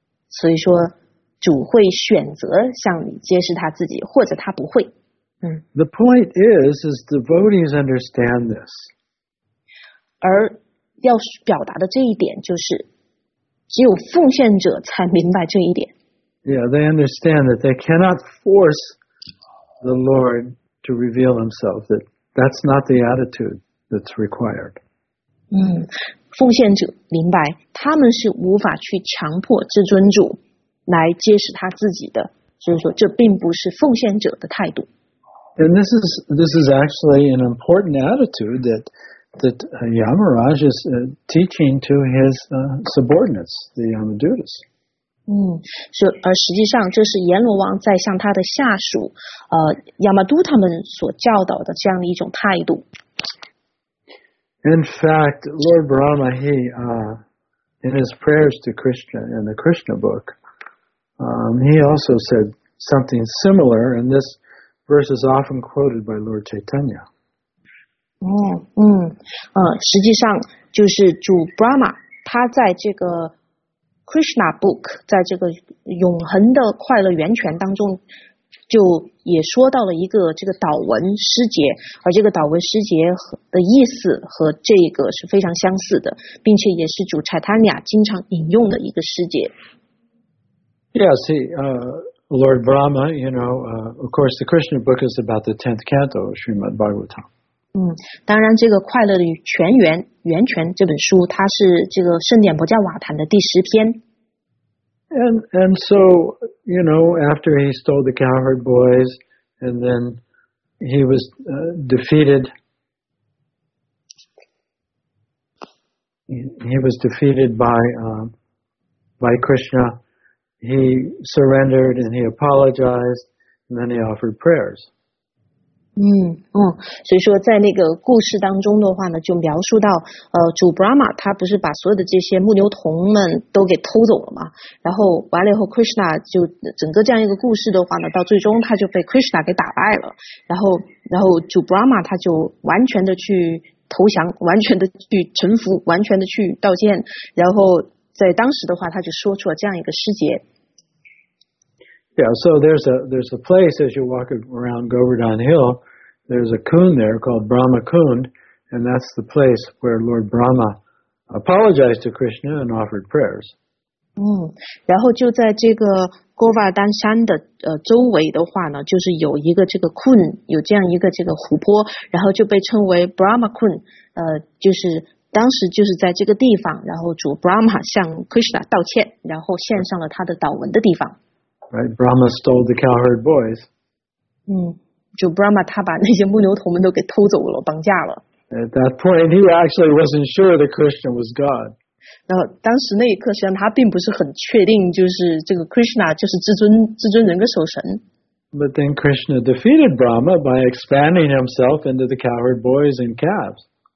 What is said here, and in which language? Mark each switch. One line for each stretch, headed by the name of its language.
Chinese: 所以说，主会选择向你揭示他自己，或者他不会。
English: The point is devotees understand this.
Chinese: 而要表达的这一点就是，只有奉献者才明白这一点。
English: Yeah, they understand that they cannot force the Lord to reveal himself. That's not the attitude that's required.
Chinese: 奉献者明白他们是无法去强迫至尊主来揭示他自己的，所以说这并不是奉献者的态度。
English: And this is actually an important attitude that Yamaraj is teaching to his subordinates, the Yamadutas.
Chinese: 而实际上这是阎罗王在向他的下属Yamaduta们所教导的这样的一种态度。
English: In fact, Lord Brahma, in his prayers to Krishna in the Krishna book, he also said something similar, and this verse is often quoted by Lord Chaitanya.
Chinese: 实际上就是主 Brahma, 他在这个 Krishna book, 在这个永恒的快乐源泉当中就也说到了一个这个祷文诗节，而这个祷文诗节的意思和这个是非常相似的，并且也是主柴塔尼亚经常引用的一个诗节。
English: Yes, Lord Brahma, you know, of course, the Krishna book is about the 10th canto of Srimad Bhagavatam.
Chinese: 当然这个快乐的泉源源泉这本书，它是这个圣典婆伽瓦坛的第十篇。
English: And so, you know, after he stole the cowherd boys, and then he was defeated. He was defeated by Krishna. He surrendered and he apologized, and then he offered prayers.
Chinese: 所以说在那个故事当中的话呢，就描述到主 Brahma 他不是把所有的这些牧牛童们都给偷走了嘛，然后完了以后 Krishna 就整个这样一个故事的话呢，到最终他就被 Krishna 给打败了，然后主 Brahma 他就完全的去投降，完全的去臣服，完全的去道歉，然后在当时的话他就说出了这样一个诗节。
English: Yeah, so there's a place as you walk around Govardhan Hill, there's a kund there called Brahma Kund, and that's the place where Lord Brahma apologized to Krishna and offered prayers.
Chinese: 然后就在这个 Govardhan 山的周围的话呢，就是有一个这个 kund， 有这样一个这个湖泊，然后就被称为 Brahma Kund， 就是当时就是在这个地方，然后主 Brahma 向 Krishna 道歉，然后献上了他的祷文的地方。
English: Right, Brahma stole the cowherd boys.
Chinese: 就 Brahma 他把那些牧牛童们都给偷走了，绑架了。
English: At that point, he actually wasn't sure that Krishna was God.
Chinese: 然后当时那一刻，实际上他并不是很确定，就是这个 Krishna 就是至尊人格守神。
English: But then Krishna defeated Brahma by expanding himself into the cowherd boys and calves.